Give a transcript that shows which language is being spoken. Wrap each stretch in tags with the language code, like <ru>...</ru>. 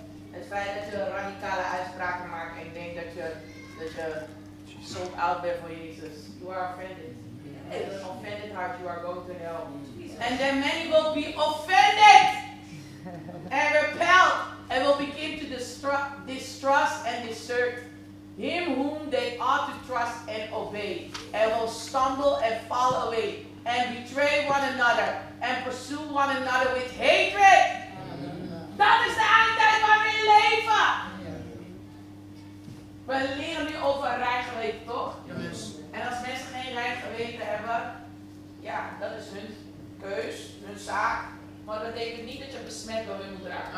<nl>Het feit dat je radicale uitspraken maakt en ik denk dat je</nl> <en>sold out</en> <nl>bent voor Jezus.</nl> <en>You are offended. And an offended heart, you are going to hell. And then many will be offended and repelled and will begin to distrust and desert him whom they ought to trust and obey, and will stumble and fall away, and betray one another, and pursue one another with hatred.</en> <nl>Dat is de eindtijd waar we in leven. We leren nu over rein geweten, toch? En als mensen geen rein geweten hebben, ja, dat is hun keus, hun zaak. Maar dat betekent niet dat je besmet door hun moet raken.</nl>